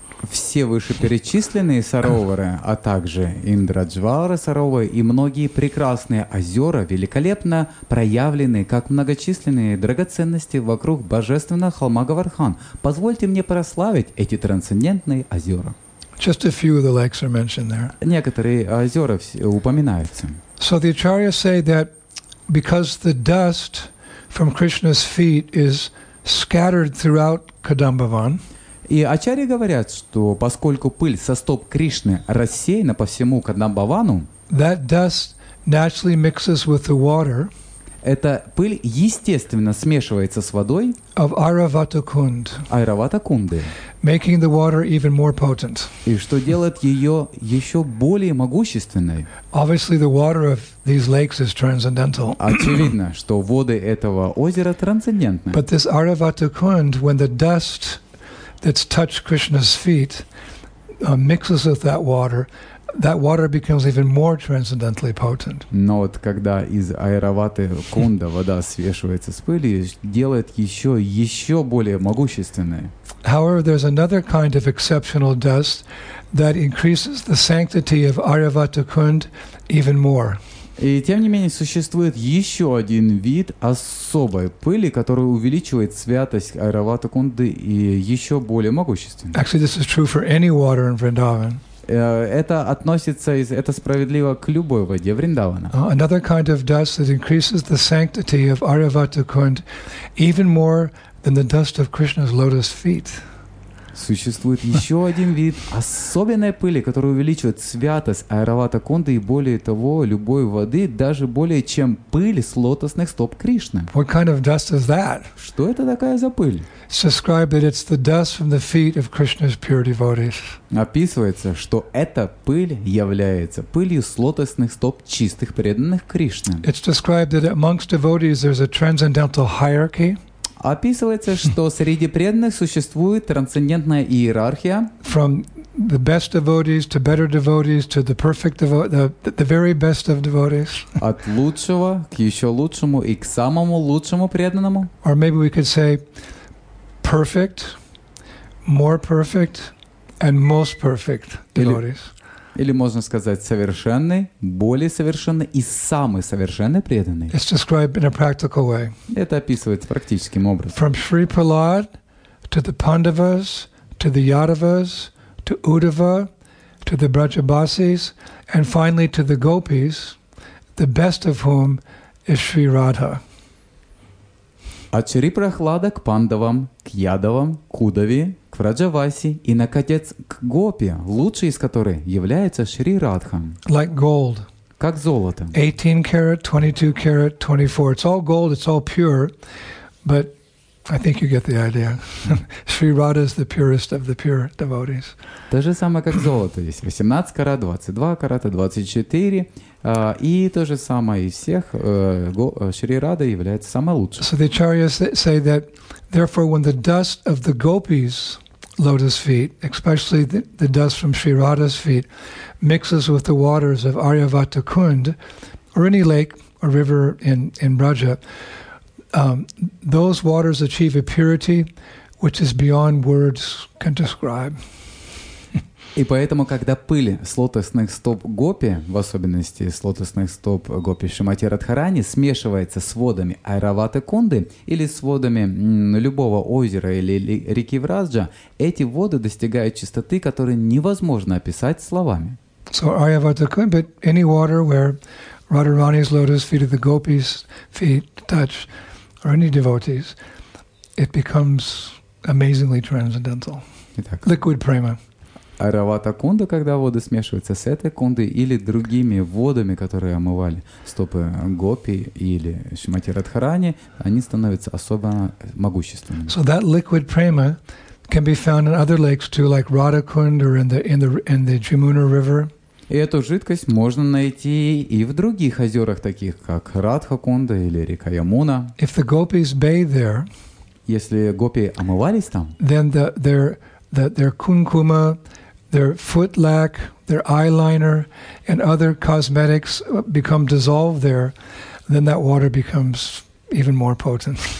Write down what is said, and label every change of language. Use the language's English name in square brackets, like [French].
[Russian] Все вышеперечисленные сароверы, а также Индраджвара саровары и многие прекрасные озера великолепно проявлены, как многочисленные драгоценности вокруг божественного холма Говардхан. Позвольте мне прославить эти трансцендентные озера. [English] Just a few of the lakes are mentioned there. [Russian] Некоторые озера упоминаются. [English] So the Acharya say that because the dust from Krishna's feet is scattered throughout Kadambavan, [Russian] и ачарьи говорят, что поскольку пыль со стоп Кришны рассеяна по всему Кадамбавану, [English] that dust naturally mixes with the water, [Russian] эта пыль естественно смешивается с водой [English] of Aravatakund, [Russian] Aravatakunda, [English] making the water even more potent. [Russian] И что делает ее еще более могущественной. [English] Obviously, the water of these lakes is transcendental. [Russian] Очевидно, что воды этого озера трансцендентны. [English] But this Aravatakund, when the dust that's touched Krishna's feet, mixes with that water becomes even more transcendentally potent. [Russian] Но вот когда из Айраваты Кунда вода свешивается с пылью, делает еще более могущественной. [English] However, there's another kind of exceptional dust that increases the sanctity of Айравата Кунд even more. [Russian] И тем не менее существует еще один вид особой пыли, который увеличивает святость Айравата Кунды и еще более могущественно. [English] Actually, this is true for any water in Vrindavan. [Russian] Это справедливо к любой воде Вриндавана. [English] Another kind of dust that increases the sanctity of Айравата Кунд even more than the dust of Krishna's lotus feet. [Russian] Существует еще один вид особенной пыли, который увеличивает святость Айравата Кунды и более того, любой воды, даже более чем пыль с лотосных стоп Кришны. [English] What kind of dust is that? [Russian] Что это такая за пыль? [English] Describe that it's the dust from the feet of Krishna's pure devotees. [Russian] Описывается, что эта пыль является пылью с лотосных стоп чистых преданных Кришны. [English] It's described that amongst devotees there's a transcendental hierarchy. [Russian] Описывается, что среди преданных существует трансцендентная иерархия. [English] From the best devotees to better devotees to the perfect the very best of devotees. [Russian] От лучшего к еще лучшему и к самому лучшему преданному. [English] Or maybe we could say perfect, more perfect, and most perfect devotees. [Russian] Или можно сказать совершенный, более совершенный и самый совершенный преданный. [English] It's described in a practical way. [Russian] Это описывается практическим образом. [English] From Shri Prahlad to the Pandavas, to the Yadavas, to Uddhava, to the Brajabasis, and finally to the Gopis, the best of whom is Shri Radha. [Russian] От Шри Прахлада к Пандавам, к Ядавам, к Удаве, к Враджаваси и, наконец, к Гопи, лучшей из которой является Шри Радха. [English] Like gold. [Russian] Как золото. 18 карат, 22 карат, 24. [English] It's all gold, it's all pure, but I think you get the idea. Sri Radha is the purest of the pure devotees. [Russian] То же самое, как золото. Здесь 18 карат, 22 карата, 24. И то же самое из всех. Шри Радха является самой лучшей. [English] So the acharyas say that, therefore, when the dust of the gopis' lotus feet, especially the dust from Sri Radha's feet, mixes with the waters of Aryavata Kund, or any lake or river in Braja, those waters achieve a purity which is beyond words can describe. [Russian] И поэтому, когда пыль с лотосных стоп гопи, в особенности с лотосных стоп гопи Шримати Радхарани, смешивается с водами Айраваты Кунды или с водами любого озера или реки Враджа, эти воды достигают чистоты, которую невозможно описать словами. [English] So Айравата Кунда, but any water where Radharani's lotus feet or the gopi's feet touch, or any devotees, it becomes amazingly transcendental. [Russian] Итак. [English] Liquid prema. [Russian] Айравата Кунда, когда воды смешиваются с этой кундой или другими водами, которые омывали стопы гопи или Шримати Радхарани, они становятся особо могущественными. [English] So that liquid prema can be found in other lakes too, like Radha Kund or in the Jamuna River. [Russian] И эту жидкость можно найти и в других озерах, таких как Радха Кунда или река Ямуна. [English] If the gopis bathe there, [Russian] если гопи омывались там, [English] then their kunkuma, their foot lac, their eyeliner, and other cosmetics become dissolved there, then that water becomes even more potent.